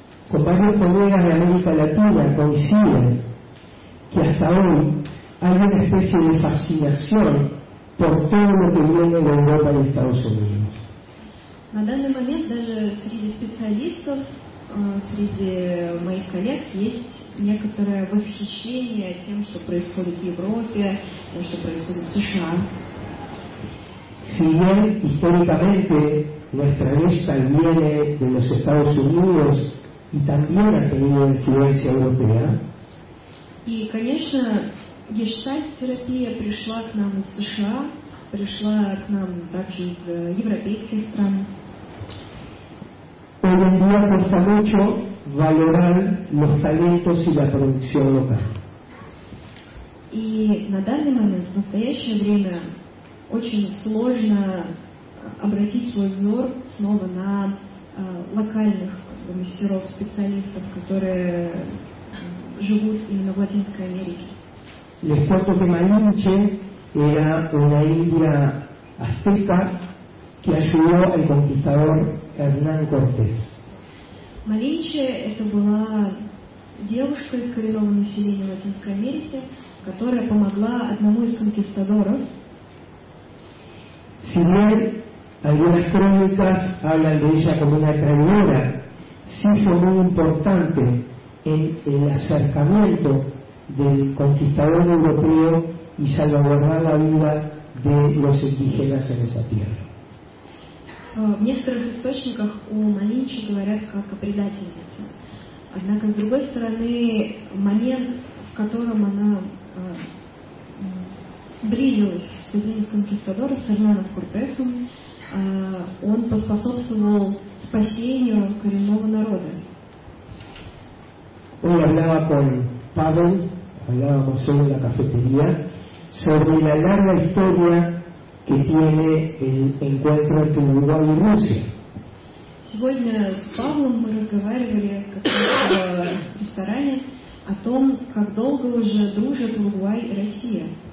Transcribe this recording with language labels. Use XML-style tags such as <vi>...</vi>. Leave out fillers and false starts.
<es>Compañeros colegas de América Latina coinciden que hasta hoy hay una especie de fascinación por todo lo que viene de Europa y Estados Unidos.</es> <ru>На данный момент даже среди специалистов, среди моих коллег есть некоторое восхищение тем, что происходит в Европе, тем, что происходит в США.</ru> <es>Si bien históricamente nuestra vista viene de los Estados Unidos y también ha tenido influencia europea.</es> <ru>И, конечно, гештальт-терапия пришла к нам из США, пришла к нам также из европейских стран.</ru> <es>Hoy en día cuesta mucho valorar los talentos y la producción local.</es> <ru>Y на данный момент, в настоящее время, очень сложно обратить свой взор снова на локальных мастеров, специалистов, которые живут именно в Латинской Америке.</ru> <es>Les cuento que Malinche era una india azteca que ayudó al conquistador Hernán Cortés.</es> <ru>Малинче – это была девушка из коренного населения Латинской Америки, которая помогла одному из конкистадоров.</ru> <es>Si bien algunas crónicas hablan de ella como una traidora, sí fue muy importante en el acercamiento del conquistador europeo y salvaguardar la vida de los indígenas en esta tierra.</es> <ru>В некоторых источниках о Малинчи говорят как о предательнице. Однако, с другой стороны, момент, в котором она сблизилась с одним из конкистадоров, с Эрнаном Кортесом, он поспособствовал спасению коренного народа.</ru> <es>Hoy hablaba con Pavel, hablábamos hoy en la cafetería, sobre la larga historia que tiene el encuentro entre Uruguay y Rusia.</es> <ru>Сегодня с Павлом мы разговаривали в ресторане о том, как долго уже дружат Уругвай и Россия.</ru>